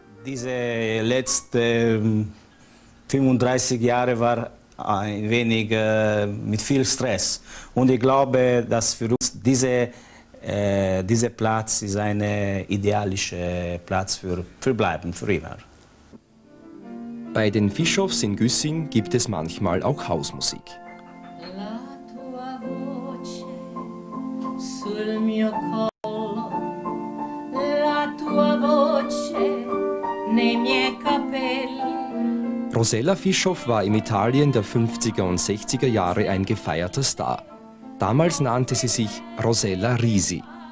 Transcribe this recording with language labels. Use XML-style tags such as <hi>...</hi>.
<de>Diese letzten 35 Jahre war ein wenig mit viel Stress. Und ich glaube, dass für uns dieser Platz ist ein idealischer Platz für Bleiben, für immer. Bei den Fischhoffs in Güssing gibt es manchmal auch Hausmusik.</de> <it>La tua voce sul mio collo, la tua voce nei miei capelli.</it> <de>Rosella Fischhoff war im Italien der 50er und 60er Jahre ein gefeierter Star. Damals nannte sie sich Rosella Risi.</de>